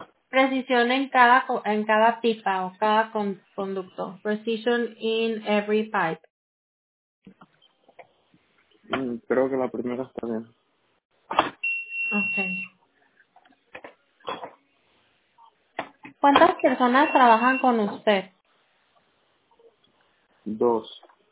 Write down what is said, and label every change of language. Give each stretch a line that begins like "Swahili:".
Spanish: Precisión en cada pipa o cada conducto.
English: Precision in every pipe.
Spanish: Creo que la primera está bien.
English: Okay.
Spanish: ¿Cuántas personas trabajan con usted? 2.